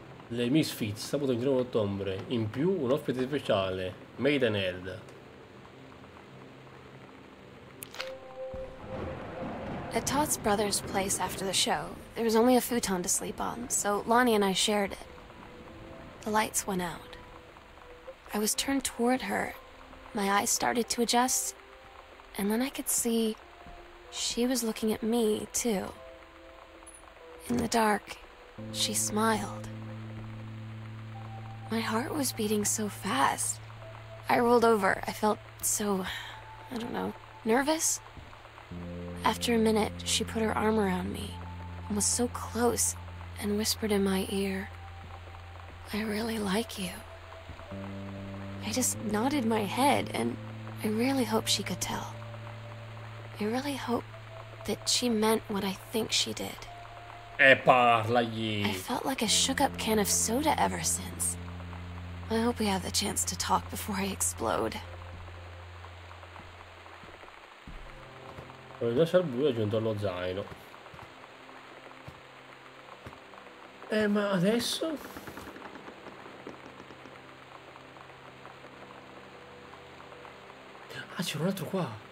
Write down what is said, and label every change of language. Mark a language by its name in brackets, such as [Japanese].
[Italian] Le Misfits, sabato 29 ottobre, in più un ospite speciale, Maiden Head. [English] At Todd's brother's place after the show, there was only a futon to sleep on, so Lonnie and I shared it. The lights went out. I was turned toward her, my eyes started to adjust, and then I could see she was looking at me, too. In the dark, she smiled. My heart was beating so fast. I rolled over. I felt so, I don't know, nervous. After a minute, she put her arm around me and was so close and whispered in my ear, "I really like you." I just nodded my head and I really hope she could tell. I really hope that she meant what I think she did. [Italian] E parlagli. [English] I felt like a shook-up can of soda ever since. I hope we have the chance to talk before I explode. [Italian] Ho lasciato il buio giunto allo zaino. Ma adesso? Ah, c'è un altro qua.